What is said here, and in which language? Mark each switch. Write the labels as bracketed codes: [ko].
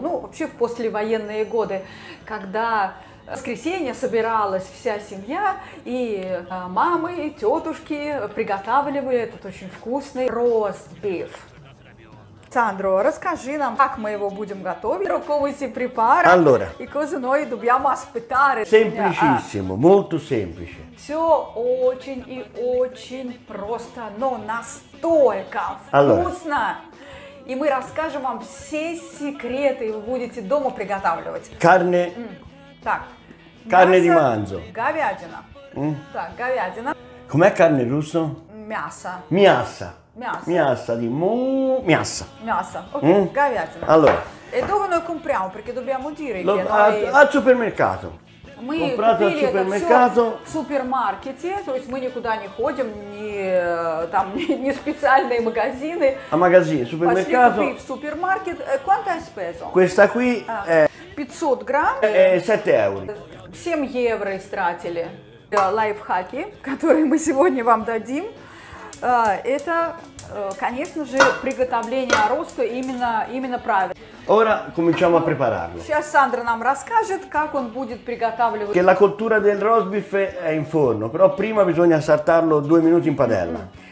[ru] Ну, вообще, в послевоенные годы, когда в воскресенье собиралась вся семья, и мамы, и тетушки приготавливали этот очень вкусный ростбиф. Сандро, расскажи нам, как мы его будем готовить, какой из припаров [it] allora, и cosa noi dobbiamo aspettare. Semplicissimo, molto semplice. [ru] Все очень и очень просто, но настолько allora, вкусно. И мы расскажем вам все секреты, вы будете дома приготавливать. [it] Carne. [ru] Так. [it] Carne di manzo. [ru] Говядина. Так, говядина. [it] Com'è carne russo? [ru] Мясо. Мясо. Мясо. Мясо. Мясо. Окей, говядина. [it] Allora. E dove noi compriamo? Perché dobbiamo dire lo, che al noi... al supermercato. [ru] Мы купили это все в супермаркете, то есть мы никуда не ходим, ни, там, ни специальные магазины. А магазин, супермаркет. Пошли купить в супермаркет. [it] Quanto hai speso? Questa qui è... [ru] 500 грамм. 7 евро. 7 евро истратили. Лайфхаки, которые мы сегодня вам дадим, это, конечно же, приготовление аросто именно правильно. [it] Ora cominciamo a prepararlo. [ru] Сейчас Сандра нам расскажет, как он будет приготавливать. [it] Che la cottura del roast beef è in forno, però prima bisogna saltarlo due minuti in padella.